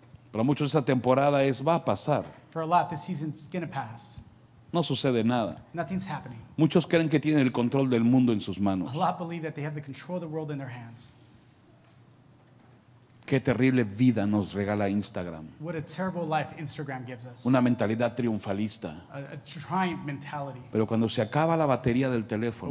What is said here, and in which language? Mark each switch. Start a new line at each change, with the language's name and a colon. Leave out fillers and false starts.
Spanish: Para muchos esta temporada es va a pasar.
English: For a lot, this season's gonna pass.
Spanish: No sucede nada.
English: Nothing's happening.
Spanish: Muchos creen que tienen el control del mundo en sus manos.
English: A lot believe that they have the control of the world in their hands.
Spanish: Qué terrible vida nos regala Instagram.
English: What a terrible life Instagram gives us.
Spanish: Una mentalidad triunfalista.
English: A triumph mentality.
Spanish: Pero cuando se acaba la batería del teléfono,